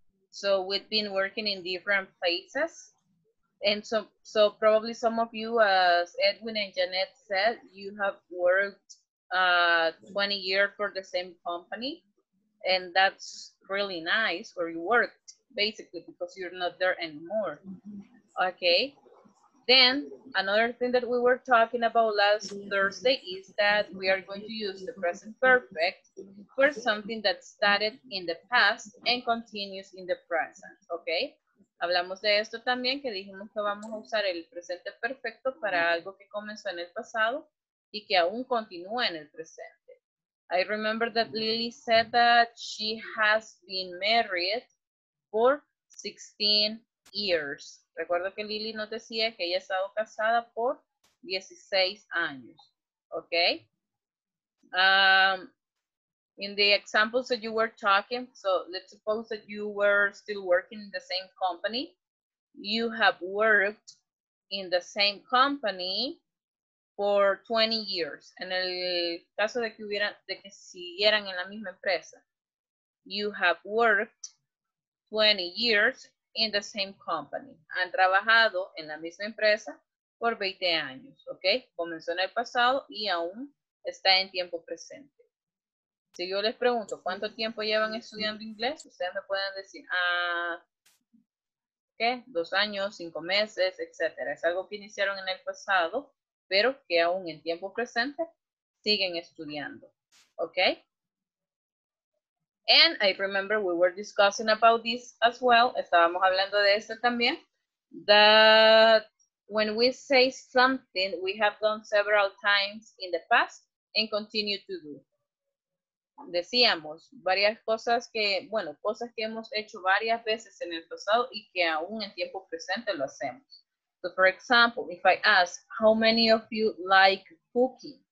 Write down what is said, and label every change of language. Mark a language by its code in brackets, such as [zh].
[en] So we've been working in different places. And so probably some of you, as Edwin and Jeanette said, you have worked 20 years for the same company, and that's really nice, or you worked basically because you're not there anymore. Okay, then another thing that we were talking about last Thursday is that we are going to use the present perfect for something that started in the past and continues in the present. [es] Okay, hablamos de esto también, que dijimos que vamos a usar el presente perfecto para algo que comenzó en el pasado y que aún continúa en el presente. [en] I remember that Lily said that she has been married for 16 years. [es] Recuerdo que Lily nos decía que ella ha estado casada por 16 años. [en] Okay? In the examples that you were talking, so let's suppose that you were still working in the same company. You have worked in the same company for 20 years. [es] En el caso de que hubieran, de que siguieran en la misma empresa. [en] You have worked 20 years in the same company. [es] Han trabajado en la misma empresa por 20 años. Okay? Comenzó en el pasado y aún está en tiempo presente. Si yo les pregunto, ¿cuánto tiempo llevan estudiando inglés? Ustedes me pueden decir, ¿qué? 2 años, 5 meses, etc. Es algo que iniciaron en el pasado, pero que aún en tiempo presente siguen estudiando. ¿Ok? [en] And I remember we were discussing about this as well. [es] Estábamos hablando de esto también. [en] That when we say something we have done several times in the past and continue to do. [es] Decíamos varias cosas que, bueno, cosas que hemos hecho varias veces en el pasado y que aún en tiempo presente lo hacemos. [en] So for example, if I ask, how many of you like cooking?